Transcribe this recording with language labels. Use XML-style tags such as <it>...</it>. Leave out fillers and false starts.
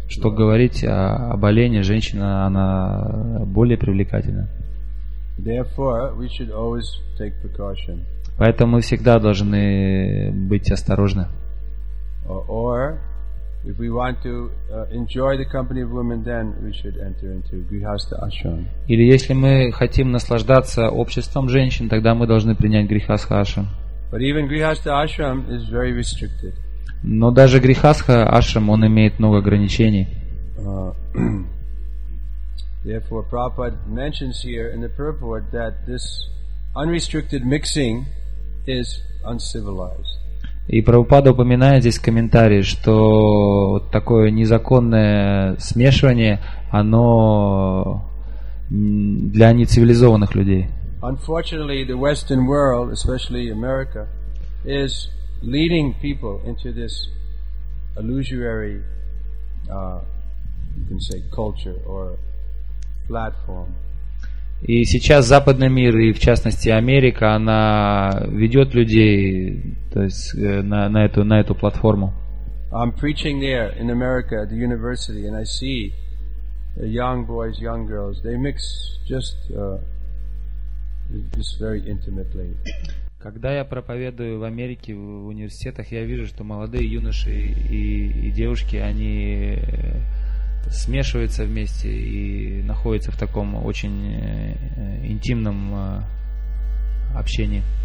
<ru>Что говорить об олене, женщина, она более привлекательна.</ru> <en>Therefore, we should always take precaution.</en> <ru>Поэтому мы всегда должны быть осторожны.</ru> <en>Or if we want to enjoy the company of women, then we should enter into grihastha ashram.</en> <ru>Или если мы хотим наслаждаться обществом женщин, тогда мы должны принять грихастха ашрам.</ru> <en>But even grihastha ashram is very restricted.</en> <ru>Но даже грихастха ашрам, он имеет много ограничений.</ru> <en>Therefore, Prabhupada mentions here in the purport that this unrestricted mixing is uncivilized.</en> <ru>И Прабхупада упоминает здесь в комментарии, что вот такое незаконное смешивание, оно для нецивилизованных людей.</ru> <en>Unfortunately, the Western world, especially America, is leading people into this illusory, you can say, culture or platform.</en> <ru>И сейчас Западный мир, и в частности Америка, она ведет людей, то есть на эту платформу.</ru> <en>I'm preaching there in America at the university, and I see the young boys, young girls. They mix just very intimately.</en> <ru>Когда я проповедую в Америке в университетах, я вижу, что молодые юноши и девушки, они смешиваются вместе и находятся в таком очень интимном общении.</ru>